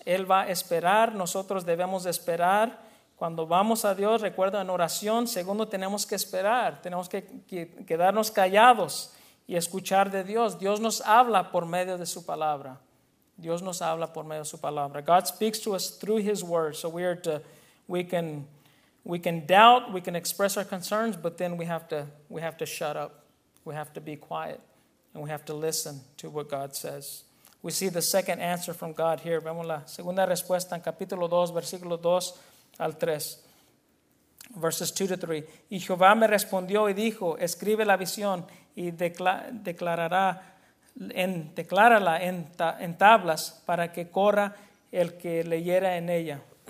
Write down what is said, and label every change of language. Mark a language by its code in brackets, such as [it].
[es] Él va a esperar, nosotros debemos de esperar. Cuando vamos a Dios, recuerda, en oración, segundo, tenemos que esperar, tenemos que quedarnos callados y escuchar de Dios. Dios nos habla por medio de su palabra. Dios nos habla por medio de su palabra. [en] God speaks to us through his word. So we can doubt, we can express our concerns, but then we have to shut up. We have to be quiet and we have to listen to what God says. We see the second answer from God here. [es] Vemos la segunda respuesta en capítulo 2, versículo 2. Al 3, [en] verses 2 to 3. [es] Y Jehová me respondió y dijo, escribe la visión y declárala en tablas para que corra el que leyera en ella.